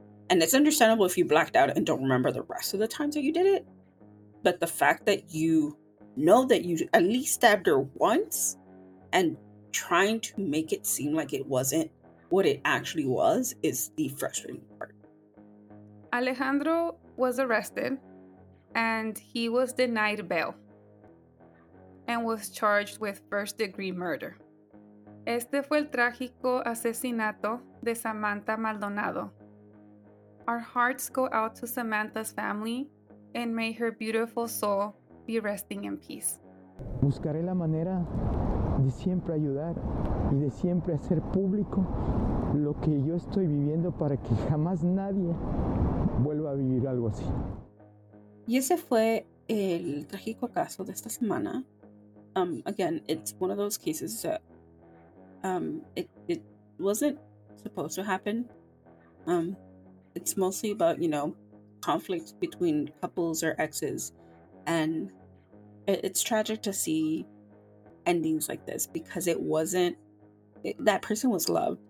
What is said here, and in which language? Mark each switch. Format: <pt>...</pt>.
<en>And it's understandable if you blacked out and don't remember the rest of the times that you did it, but the fact that you know that you at least stabbed her once and trying to make it seem like it wasn't what it actually was is the frustrating part. Alejandro was arrested and he was denied bail and was charged with first-degree murder.</en> <es>Este fue el trágico asesinato de Samantha Maldonado.</es> <en>Our hearts go out to Samantha's family, and may her beautiful soul be resting in peace.</en> <es>Buscaré la manera de siempre ayudar y de siempre hacer público lo que yo estoy viviendo para que jamás nadie vuelva a vivir algo así. Y ese fue el trágico caso de esta semana.</es> <en>Again, it's one of those cases that it wasn't supposed to happen. It's mostly about, you know, conflict between couples or exes. And it's tragic to see endings like this, because that person was loved.</en>